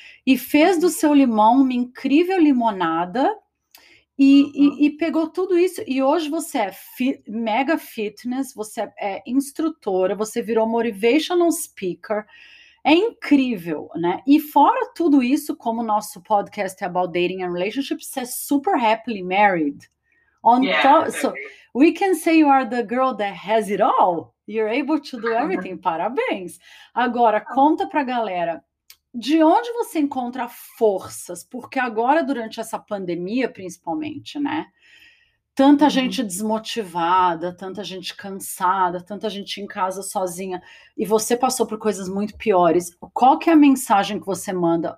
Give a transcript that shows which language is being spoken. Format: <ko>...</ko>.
<pt>E fez do seu limão uma incrível limonada e pegou tudo isso. E hoje você é mega fitness, você é instrutora, você virou motivational speaker. É incrível, né? E fora tudo isso, como o nosso podcast é</pt> <en>about dating and relationships,</en> <pt>você é</pt> <en>super happily married. So we can say you are the girl that has it all. You're able to do everything.</en> <pt>Parabéns. Agora, conta pra galera. De onde você encontra forças? Porque agora, durante essa pandemia, principalmente, né? Tanta gente desmotivada, tanta gente cansada, tanta gente em casa sozinha. E você passou por coisas muito piores. Qual que é a mensagem que você manda?</pt>